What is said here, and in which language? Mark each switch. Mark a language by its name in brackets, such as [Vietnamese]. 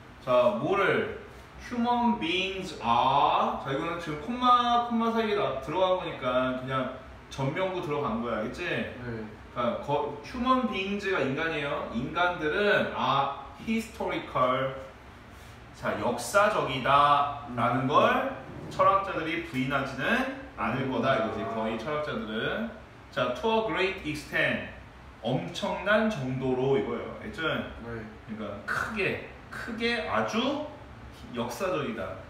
[Korean] 자, 뭐를 [English] human beings are. [Korean] 자, 이거는 지금 콤마 콤마 사이에 들어간 거니까 그냥 전명구 들어간 거야, 그치? 네. 자, human beings가 인간이에요. 인간들은 [English] are historical. [Korean] 자, 역사적이다 라는 걸 철학자들이 부인하지는 않을 거다 이거지. 거의 철학자들은. 자, [English] to a great extent, [Korean] 엄청난 정도로 이거예요, 그치? 네. 그러니까 크게 아주 역사적이다.